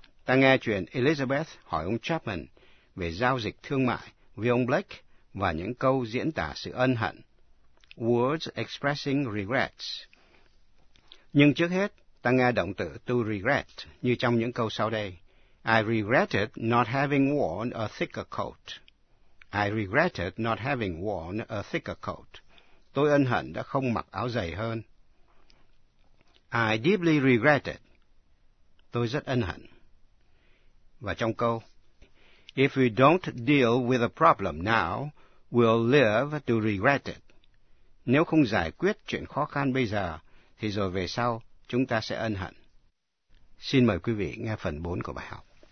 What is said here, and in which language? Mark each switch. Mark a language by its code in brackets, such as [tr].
[vi] Ta nghe chuyện Elizabeth hỏi ông Chapman về giao dịch thương mại với ông Blake và những câu diễn tả sự ân hận. [en] Words expressing regrets. [vi] Nhưng trước hết, ta nghe động từ to regret như trong những câu sau đây. [en] I regretted not having worn a thicker coat. I regretted not having worn a thicker coat. [vi] Tôi ân hận đã không mặc áo dày hơn. [en] I deeply regretted. [vi] Tôi rất ân hận. Và trong câu, [en] If we don't deal with the problem now, we'll live to regret it. [vi] Nếu không giải quyết chuyện khó khăn bây giờ, thì rồi về sau, chúng ta sẽ ân hận. Xin mời quý vị nghe phần 4 của bài học.